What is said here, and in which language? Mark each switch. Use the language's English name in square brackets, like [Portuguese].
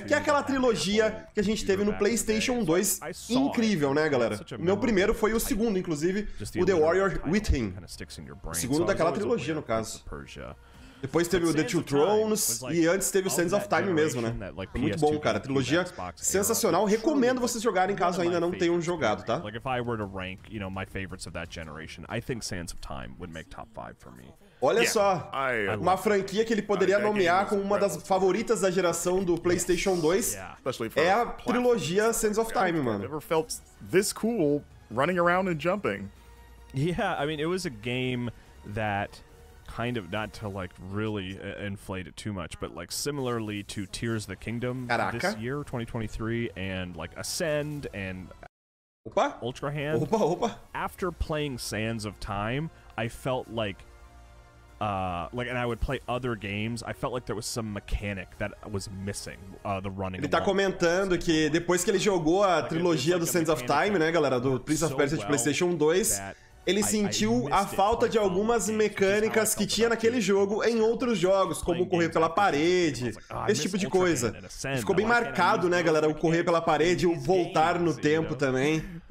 [Portuguese] Que é aquela trilogia que a gente teve no PlayStation 2, incrível, né, galera? O meu primeiro foi o segundo, inclusive, o The Warrior Within. O segundo daquela trilogia, no caso. Depois teve o The Two Thrones e antes teve o Sands of Time mesmo, né? Foi muito bom, cara. Trilogia sensacional. Recomendo vocês jogarem caso ainda não tenham jogado, tá? [English] Like if I were to rank, you know, my favorites of that generation, I think Sands of Time would make top 5 for me. [Portuguese] Olha só, uma franquia que ele poderia nomear como uma das favoritas da geração do PlayStation 2 é a trilogia Sands of Time, mano. [English] Never felt this cool running around and jumping. Yeah, I mean, it was a game that kind of, not to like really inflate it too much, but like similarly to Tears of the Kingdom this year, 2023, and like Ascend and [Portuguese] opa. [English] Ultra Hand. [Portuguese] Opa, opa. [English] After playing Sands of Time, I felt like, and I would play other games, I felt like there was some mechanic that was missing, the running. [Portuguese] Ele tá comentando que depois que ele jogou a trilogia do Sands of Time, né, galera, do Prince of Persia de PlayStation 2. Ele sentiu a falta de algumas mecânicas que tinha naquele jogo em outros jogos, como correr pela parede, esse tipo de coisa. Ficou bem marcado, né, galera, o correr pela parede, o voltar no tempo também.